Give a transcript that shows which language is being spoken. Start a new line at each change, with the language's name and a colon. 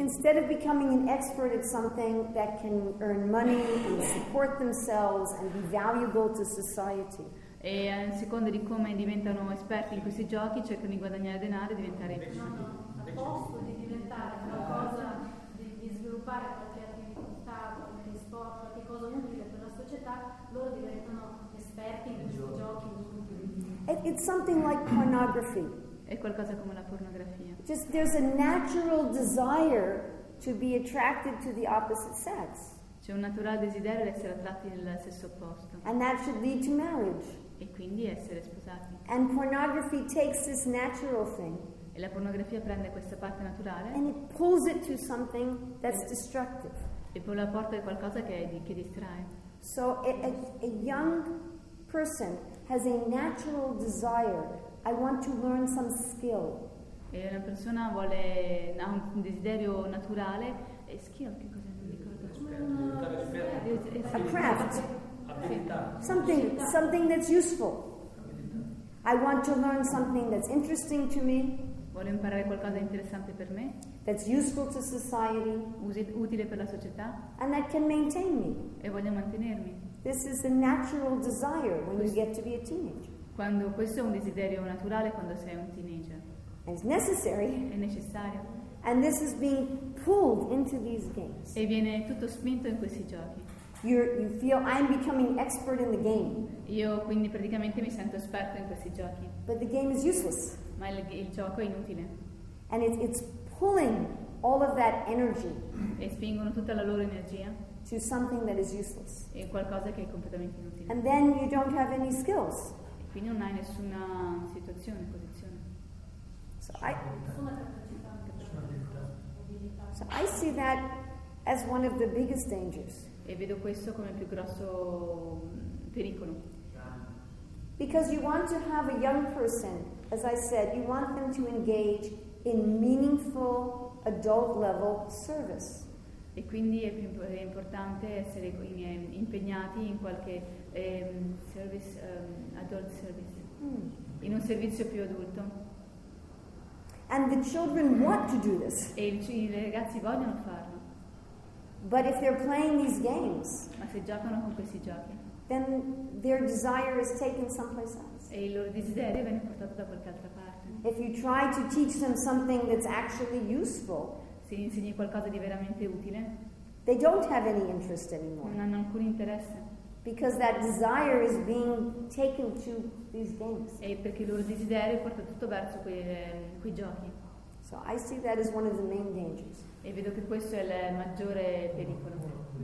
English: Instead of becoming an expert at something that can earn money and support themselves and be valuable to society.
Italian: E a seconda di come diventano esperti in questi giochi, cercano di guadagnare denaro e diventare ricchi. No, a posto di diventare qualcosa, di sviluppare qualche attività, qualche sport, qualche cosa utile per la società, loro diventano esperti in questi giochi.
English: It's something like pornography.
Italian: È qualcosa come la pornografia.
English: Just there's a natural desire to be attracted to the opposite sex.
Italian: C'è un naturale desiderio di essere attratti nel sesso opposto.
English: And that should lead to marriage.
Italian: E quindi essere sposati.
English: And pornography takes this natural thing.
Italian: E la pornografia prende questa parte naturale.
English: And it pulls it to something that's destructive.
Italian: E poi la porta a qualcosa che distrae.
English: So a young person has a natural desire. I want to learn some skill.
Italian: E una persona vuole un desiderio naturale e skill, che cosa non ricordo?
English: A craft. Something that's useful. I want to learn something that's interesting to me.
Italian: Vuole imparare qualcosa interessante per me.
English: That's useful to society.
Italian: Utile per la società.
English: And that can maintain me.
Italian: E voglio mantenermi.
English: This is a natural desire when you get to be a teenager.
Italian: Quando questo è un desiderio naturale quando sei un teenager.
English: It's necessary.
Italian: È necessario.
English: And this is being pulled into these games.
Italian: E viene tutto spinto in questi giochi.
English: You feel I'm becoming expert in the game.
Italian: Io quindi praticamente mi sento esperto in questi giochi.
English: But the game is useless.
Italian: Ma il gioco è inutile.
English: And it's pulling all of that energy.
Italian: E spingono tutta la loro energia.
English: To something that is useless.
Italian: E qualcosa che è completamente inutile.
English: And then you don't have any skills.
Italian: Quindi non hai nessuna situazione, posizione.
English: So I see that as one of the biggest dangers.
Italian: E vedo questo come il più grosso pericolo.
English: Because you want to have a young person, as I said, you want them to engage in meaningful adult level service.
Italian: E quindi è più importante essere impegnati in qualche
English: service, adult service,
Italian: in un servizio più adulto.
English: And the children want to do this.
Italian: E i ragazzi vogliono farlo.
English: But if they're playing these games,
Italian: ma se giocano con questi giochi,
English: then their desire is taken someplace else.
Italian: E il loro desiderio viene portato da qualche altra parte.
English: If you try to teach them something that's actually useful,
Italian: se insegni qualcosa di veramente utile,
English: they don't have any interest anymore.
Italian: Non hanno alcun interesse.
English: Because that desire is being taken to these games.
Italian: E perché il loro desiderio porta tutto verso quei giochi.
English: So I see that as one of the main dangers.
Italian: E vedo che questo è il maggiore pericolo.